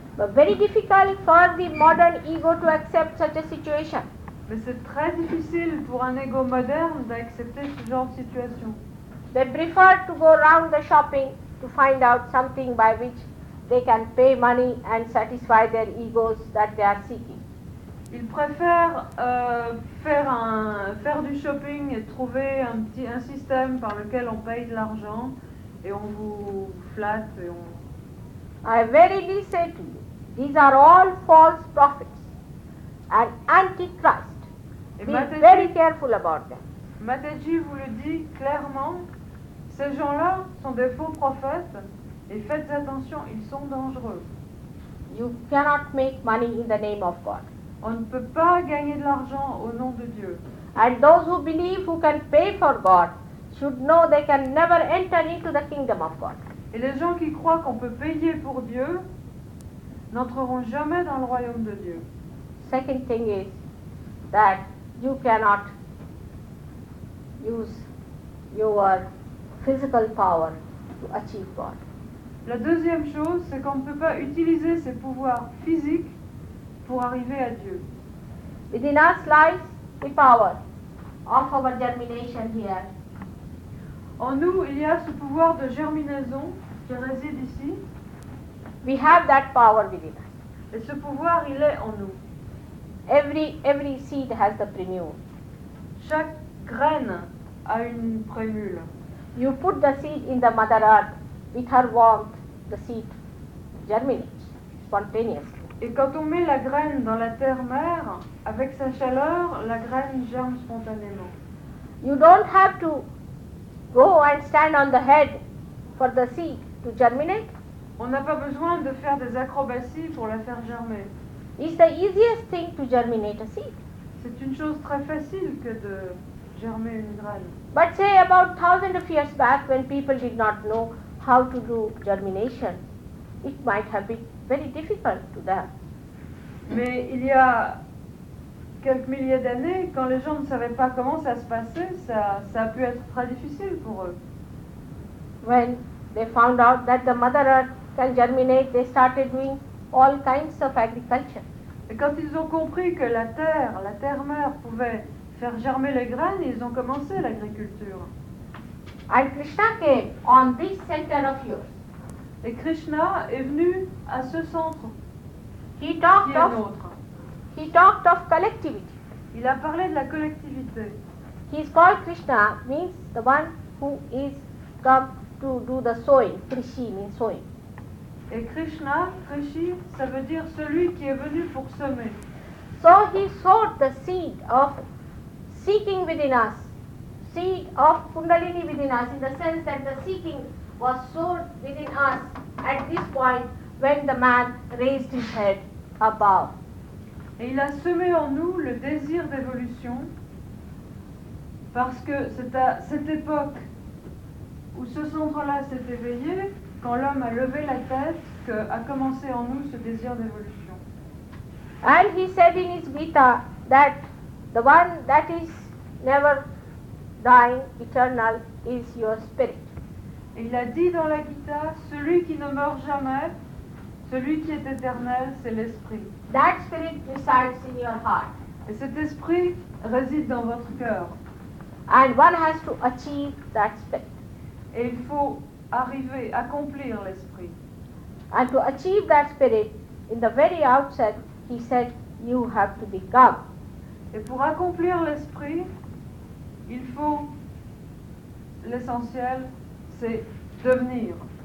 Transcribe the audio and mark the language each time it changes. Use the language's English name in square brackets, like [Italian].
[English] But very difficult for the modern ego to accept such a situation. [French] Mais c'est très difficile pour un ego moderne d'accepter ce genre de situation. [English] They prefer to go around the shopping to find out something by which they can pay money and satisfy their egos that they are seeking. [French] Ils préfèrent faire du shopping et trouver un système par lequel on paye de l'argent et on vous flatte et on... [English] I verily say to you, these are all false prophets and antichrist. Be Mataji, very careful about them. [French] Mataji vous le dit clairement, ces gens-là sont des faux prophètes et faites attention, ils sont dangereux. [English] You cannot make money in the name of God. [French] On ne peut pas gagner de l'argent au nom de Dieu. [English] And those who believe who can pay for God should know they can never enter into the kingdom of God. [French] Et les gens qui croient qu'on peut payer pour Dieu n'entreront jamais dans le royaume de Dieu. [English] Second thing is that you cannot use your physical power to achieve God. [French] La deuxième chose, c'est qu'on ne peut pas utiliser ses pouvoirs physiques pour arriver à Dieu. [English] Within us lies the power of our germination here. [French] En nous, il y a ce pouvoir de germinaison qui réside ici. [English] We have that power within us. [French] Et ce pouvoir, il est en nous. [English] Every seed has the prémule. [French] Chaque graine a une prémule. [English] You put the seed in the mother earth with her warmth. The seed germinates spontaneously. [French] Et quand on met la graine dans la terre mère, avec sa chaleur, la graine germe spontanément. [English] You don't have to go and stand on the head for the seed to germinate. [French] On n'a pas besoin de faire des acrobaties pour la faire germer. [English] It's the easiest thing to germinate a seed. [French] C'est une chose très facile que de germer une graine. [English] But say about thousands of years back when people did not know how to do germination, it might have been very difficult to them. [French] Mais il y a quelques milliers d'années, quand les gens ne savaient pas comment ça se passait, ça a pu être très difficile pour eux. [English] When they found out that the mother earth can germinate, they started doing all kinds of agriculture. [French] Et quand ils ont compris que la terre mère pouvait faire germer les graines, ils ont commencé l'agriculture. [English] And Krishna came on this center of yours. [French] Et Krishna est venu à ce centre. [English] He talked [French] qui est nôtre. [English] He talked of collectivity. [French] Il a parlé de la collectivité. [English] He is called Krishna, means the one who is come to do the sowing. Krishi means sowing. [French] Et Krishna, Krishi, ça veut dire celui qui est venu pour semer. [English] So he sowed the seed of seeking within us. Seed of Kundalini within us, in the sense that the seeking was sown within us at this point when the man raised his head above. [French] Et il a semé en nous le désir d'évolution parce que c'est à cette époque où ce centre-là s'est éveillé, quand l'homme a levé la tête, que a commencé en nous ce désir d'évolution. [English] And he said in his Gita that the one that is never dying, eternal, is your spirit. [French] Et il a dit dans la Gita, celui qui ne meurt jamais, celui qui est éternel, c'est l'esprit. [English] That spirit resides in your heart. [French] Et cet esprit réside dans votre cœur. [English] And one has to achieve that spirit. [French] Et il faut arriver, accomplir l'esprit. [English] And to achieve that spirit, in the very outset, he said, you have to become. [French] Et pour accomplir l'esprit, il faut, l'essentiel, c'est devenir.